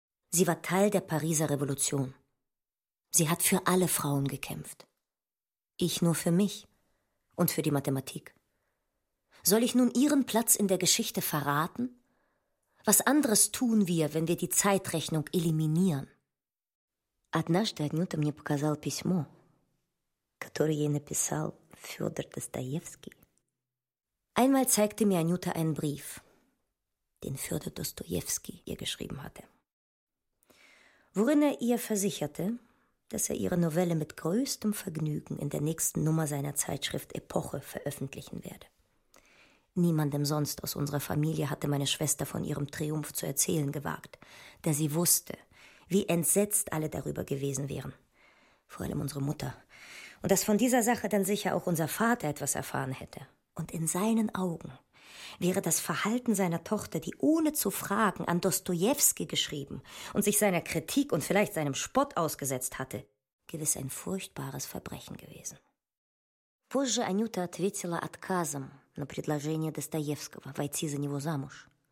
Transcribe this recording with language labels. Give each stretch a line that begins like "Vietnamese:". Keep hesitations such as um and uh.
German: Sie war Teil der Pariser Revolution. Sie hat für alle Frauen gekämpft. Ich nur für mich und für die Mathematik. Soll ich nun ihren Platz in der Geschichte verraten? Was anderes tun wir, wenn wir die Zeitrechnung eliminieren?
Russian: Однажды Анюта мне показал письмо, которое ей написал Федор Достоевский.
German: Einmal zeigte mir Anjuta einen Brief, den Fyodor Dostoevsky ihr geschrieben hatte worin er ihr versicherte, dass er ihre Novelle mit größtem Vergnügen in der nächsten Nummer seiner Zeitschrift Epoche veröffentlichen werde. Niemandem sonst aus unserer Familie hatte meine Schwester von ihrem Triumph zu erzählen gewagt, da sie wusste, wie entsetzt alle darüber gewesen wären, vor allem unsere Mutter, und dass von dieser Sache dann sicher auch unser Vater etwas erfahren hätte. Und in seinen Augen wäre das Verhalten seiner Tochter, die ohne zu fragen an Dostojewski geschrieben und sich seiner Kritik und vielleicht seinem Spott ausgesetzt hatte, gewiss ein furchtbares Verbrechen gewesen.
Russian: Позже Анюта ответила отказом на предложение Достоевского войти за него замуж.